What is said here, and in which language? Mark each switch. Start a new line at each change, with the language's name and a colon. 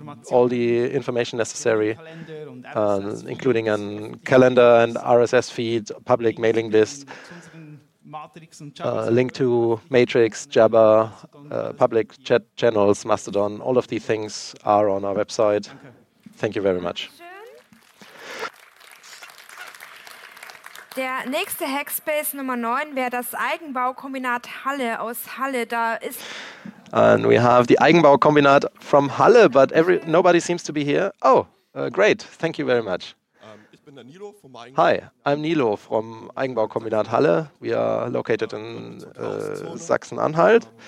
English: All the information necessary, including a calendar and RSS feed, public mailing list, link to Matrix, Jabber, public chat channels, Mastodon. All of these things are on our website. Thank you very much.
German: Der nächste Hackspace Nummer 9 wäre das Eigenbaukombinat Halle aus Halle. Da ist.
English: And we have the Eigenbaukombinat from Halle, but nobody seems to be here. Oh, great. Thank you very much.
German: Ich bin der Nilo vom
English: Hi, I'm Nilo from Eigenbaukombinat Halle. We are located in Sachsen-Anhalt.